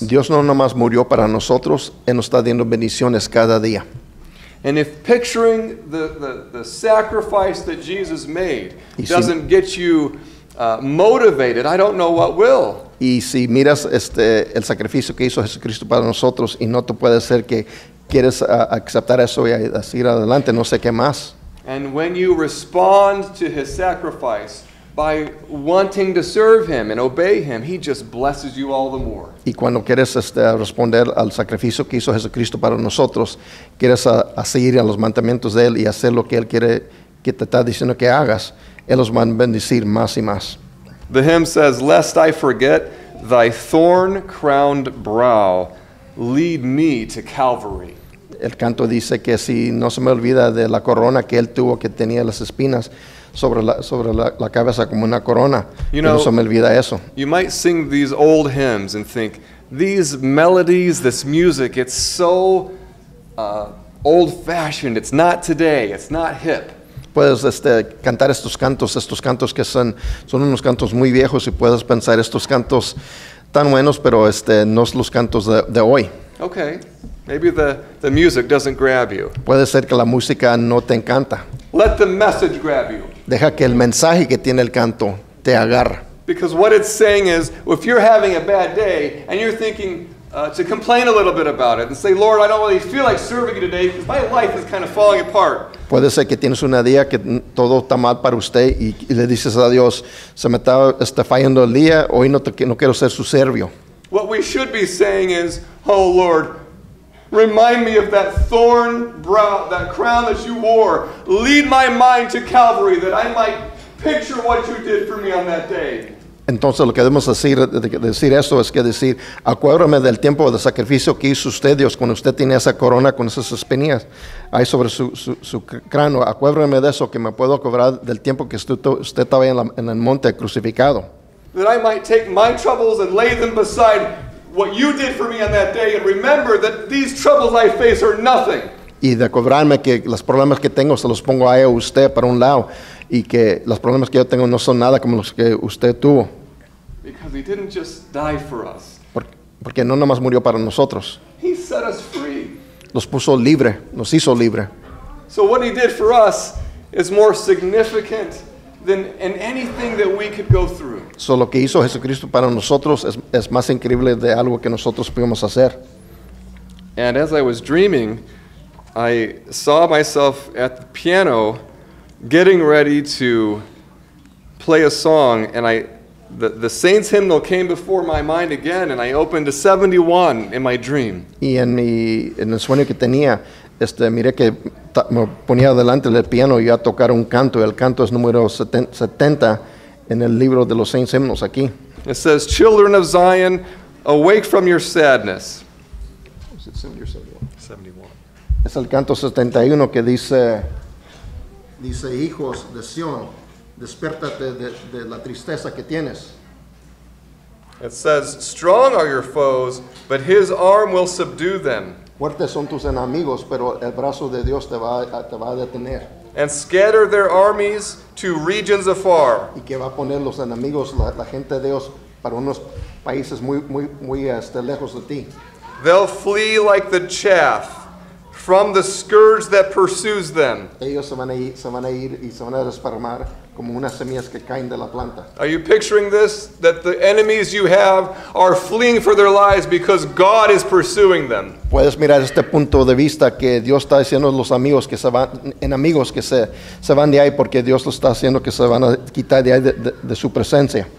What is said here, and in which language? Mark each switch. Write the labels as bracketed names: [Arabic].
[Spanish] Dios no nomás murió para nosotros, Él nos está dando bendiciones cada día. [English] And if picturing the sacrifice that Jesus made doesn't get you motivated, I don't know what will. [Spanish] Y si miras este, el sacrificio que hizo Jesucristo para nosotros y no te puede ser que quieres aceptar eso y a seguir adelante, no sé qué más. [English] And when you respond to his sacrifice by wanting to serve him and obey him, he just blesses you all the more. [Spanish] Y cuando quieres este, responder al sacrificio que hizo Jesucristo para nosotros, quieres a seguir a los mandamientos de él y hacer lo que él quiere que te está diciendo que hagas, él los va a bendecir más y más. [English] The hymn says, lest I forget thy thorn-crowned brow, lead me to Calvary. [Spanish] El canto dice que si no se me olvida de la corona que él tuvo que tenía las espinas sobre la cabeza como una corona. [English] You know, [Spanish] no se me olvida eso. [English] You might sing these old hymns and think, these melodies, this music, it's so old-fashioned, it's not today, it's not hip. [Spanish] Puedes este, cantar estos cantos que son unos cantos muy viejos y puedes pensar estos cantos tan buenos, pero este, no son los cantos de hoy. [English] Okay, maybe the music doesn't grab you. [Spanish] Puede ser que la música no te encanta. [English] Let the message grab you. [Spanish] Deja que el mensaje que tiene el canto te agarre. [English] Because what it's saying is, if you're having a bad day and you're thinking to complain a little bit about it and say, Lord, I don't really feel like serving you today because my life is kind of falling apart. [Spanish] Puede ser que tienes un día que todo está mal para usted y le dices a Dios, se me está fallando el día, hoy no quiero ser su servio. [English] What we should be saying is, oh Lord, remind me of that thorn brow, that crown that you wore. Lead my mind to Calvary that I might picture what you did for me on that day. [Spanish] Entonces lo que debemos decir esto es que decir, acuérdame del tiempo de sacrificio que hizo usted Dios cuando usted tenía esa corona con esas espinillas ahí sobre su cráneo. Acuérdame de eso que me puedo acordar del tiempo que usted estaba en el monte crucificado. [English] That I might take my troubles and lay them beside what you did for me on that day and remember that these troubles I face are nothing. [Spanish] Y de acordarme que los problemas que tengo se los pongo ahí a usted para un lado. Y que los problemas que yo tengo no son nada como los que usted tuvo. [English] Because he didn't just die for us. [Spanish] Porque no nomás murió para nosotros. [English] He set us free. [Spanish] Nos puso libre, nos hizo libre. [English] So what he did for us is more significant than in anything that we could go through. [Spanish] So lo que hizo Jesucristo para nosotros es más increíble de algo que nosotros pudimos hacer. [English] And as I was dreaming, I saw myself at the piano getting ready to play a song, and the Saints Hymnal came before my mind again, and I opened to 71 in my dream. [Spanish] Y en el sueño que tenía, Mire que me ponía delante del piano y iba a tocar un canto. El canto es número 70 en el libro de los Saints Hymnos aquí. [English] It says, children of Zion, awake from your sadness. Is it 70 or 71? [Spanish] 71. Es el canto 71 que dice... Dice, hijos de Sion, despiértate de la tristeza que tienes. [English] It says, strong are your foes, but his arm will subdue them. [Spanish] Fuertes son tus enemigos, pero el brazo de Dios te va a detener. [English] And scatter their armies to regions afar. [Spanish] Y que va a poner los enemigos, la gente de Dios, para unos países muy, muy, muy lejos de ti. [English] They'll flee like the chaff from the scourge that pursues them. [Spanish] Ellos se van a ir y se van a desparmar como unas semillas que caen de la planta. [English] Are you picturing this? That the enemies you have are fleeing for their lives because God is pursuing them. [Spanish] Puedes mirar este punto de vista que Dios está diciendo a los amigos que se van, enemigos que se van de ahí porque Dios lo está haciendo que se van a quitar de ahí de su presencia.